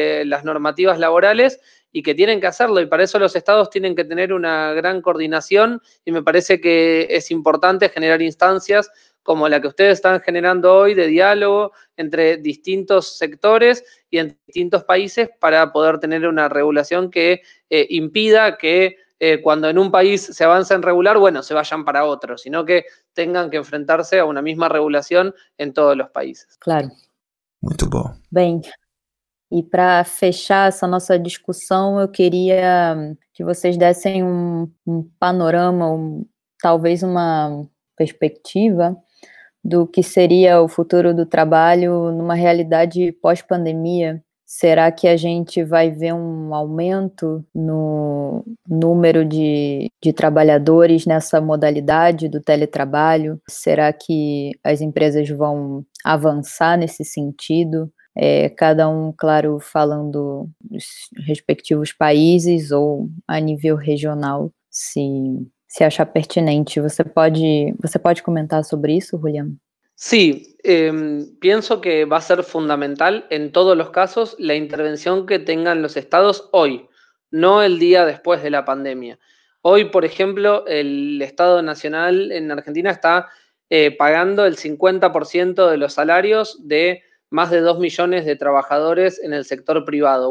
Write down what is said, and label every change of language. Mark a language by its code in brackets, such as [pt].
[es] las normativas laborales y que tienen que hacerlo. Y para eso los estados tienen que tener una gran coordinación y me parece que es importante generar instancias como la que ustedes están generando hoy, de diálogo entre distintos sectores y en distintos países para poder tener una regulación que impida que cuando en un país se avanza en regular, bueno, se vayan para otro, sino que tengan que enfrentarse a una misma regulación en todos los países. Claro. [pt] Muito bom. Bem, E para fechar essa nossa discussão, eu queria que vocês dessem um panorama, talvez uma perspectiva do que seria o futuro do trabalho numa realidade pós-pandemia. Será que a gente vai ver um aumento no número de trabalhadores nessa modalidade do teletrabalho? Será que as empresas vão avançar nesse sentido? Cada um, claro, falando dos respectivos países ou a nível regional, se achar pertinente. Você pode comentar sobre isso, Julián? [es] Sí, pienso que va a ser fundamental en todos los casos la intervención que tengan los estados hoy, no el día después de la pandemia. Hoy, por ejemplo, el Estado Nacional en Argentina está pagando el 50% de los salarios de más de 2 millones de trabajadores en el sector privado.